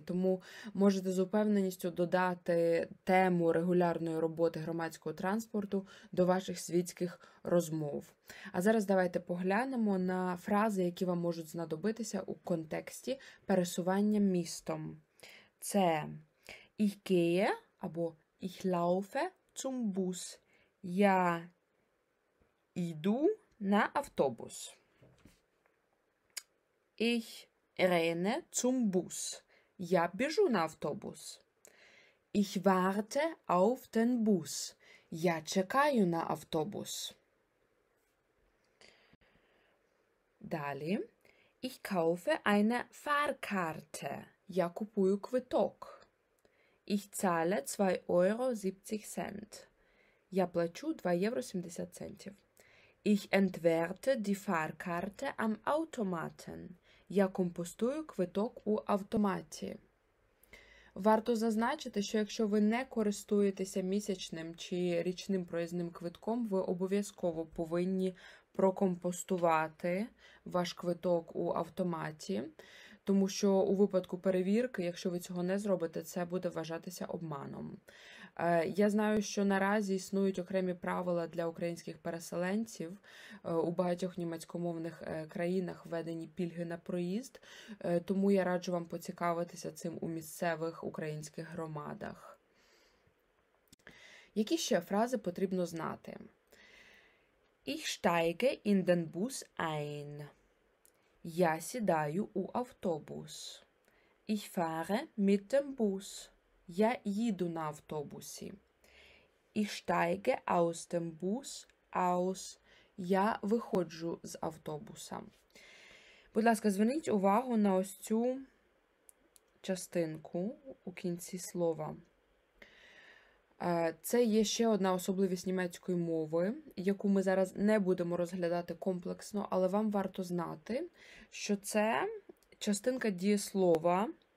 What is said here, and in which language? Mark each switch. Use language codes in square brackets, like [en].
[uk] Тому можете з упевненістю додати тему регулярної роботи громадського транспорту до ваших світських розмов. А зараз давайте поглянемо на фрази, які вам можуть знадобитися у контексті пересування містом. Це [de] Ich gehe [uk] або [de] ich laufe zum Bus. [uk] Я йду на автобус. [de] Ich renne zum Bus. [uk] Я біжу на автобус. [de] Ich warte auf den Bus. [uk] Я чекаю на автобус. Далі. [de] Ich kaufe eine Fahrkarte. [uk] Я купую квиток. [de] Ich zahle 2,70 €. [uk] Я плачу 2,70 €. [de] Ich entwerte die Fahrkarte am Automaten. [uk] Я компостую квиток у автоматі. Варто зазначити, що якщо ви не користуєтеся місячним чи річним проїзним квитком, ви обов'язково повинні прокомпостувати ваш квиток у автоматі. Тому що у випадку перевірки, якщо ви цього не зробите, це буде вважатися обманом. Я знаю, що наразі існують окремі правила для українських переселенців. У багатьох німецькомовних країнах введені пільги на проїзд, тому я раджу вам поцікавитися цим у місцевих українських громадах. Які ще фрази потрібно знати? [de] Ich steige in den Bus ein. [uk] Я сідаю у автобус. [de] Ich fahre mit dem Bus. [uk] Я їду на автобусі. [de] Ich steige aus dem Bus aus. [uk] Я виходжу з автобуса. Будь ласка, зверніть увагу на ось цю частинку у кінці слова. Це є ще одна особливість німецької мови, яку ми зараз не будемо розглядати комплексно, але вам варто знати, що це частинка дієслова,